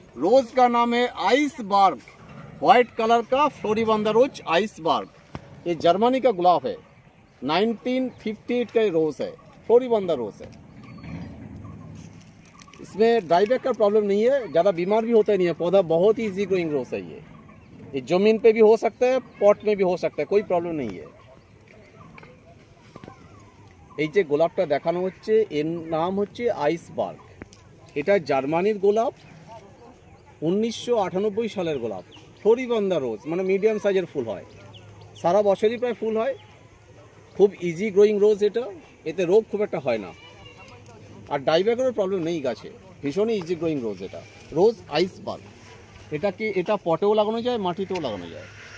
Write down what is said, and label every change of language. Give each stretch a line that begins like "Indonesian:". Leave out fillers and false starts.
Hindi: रोज का नाम है आइसबर्ग, व्हाइट कलर का फ्लोरिबंदा रोज आइसबर्ग, ये जर्मनी का गुलाब है, 1958 का रोज है, फ्लोरिबंदा रोज है, इसमें डाइबैक का प्रॉब्लम नहीं है, ज़्यादा बीमार भी होता नहीं है पौधा, बहुत ही इजी ग्रोइंग रोज है ये, ये जमीन पे भी हो सकता है, पॉट में भी हो सकता है, कोई प्रॉब्लम नहीं है।
Bangla: এই যে গোলাপটা দেখানো হচ্ছে এর নাম হচ্ছে আইসবার্গ, এটা জার্মানির গোলাপ, 1998 সালের গোলাপ, ফ্লোরিবন্দা রোজ, মানে মিডিয়াম সাইজের ফুল হয়, সারা বছরই প্রায় ফুল হয়, খুব ইজি গ্রোয়িং রোজ এটা, এতে রোগ খুব একটা হয় না, আর ডাইব্যাকেরও প্রবলেম নেই গাছে, ভীষণই ইজি গ্রোয়িং রোজ এটা, রোজ আইসবার্গ। এটা কি এটা পটেও লাগানো যায়, মাটিতেও লাগানো যায়,